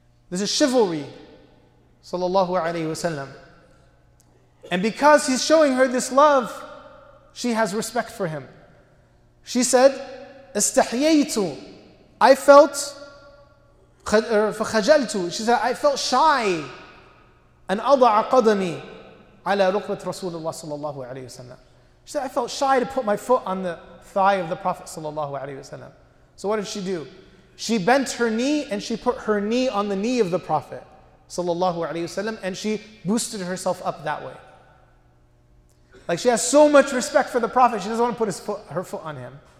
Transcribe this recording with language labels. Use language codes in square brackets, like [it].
[en] This is chivalry, sallallahu alaihi wasallam. And because he's showing her this love, she has respect for him. She said, [ar] استحييتو. [en] I felt [ar] فخجلتو. [en] She said, I felt shy. [ar] أن أضع قدمي على ركبة رسول الله صلى الله عليه وسلم. [en] She said, I felt shy to put my foot on the thigh of the Prophet [ar] صلى الله عليه وسلم. [en] So what did she do? She bent her knee and she put her knee on the knee of the Prophet [ar] صلى الله عليه وسلم, [en] and she boosted herself up that way. Like, she has so much respect for the Prophet, she doesn't want to put her foot on him.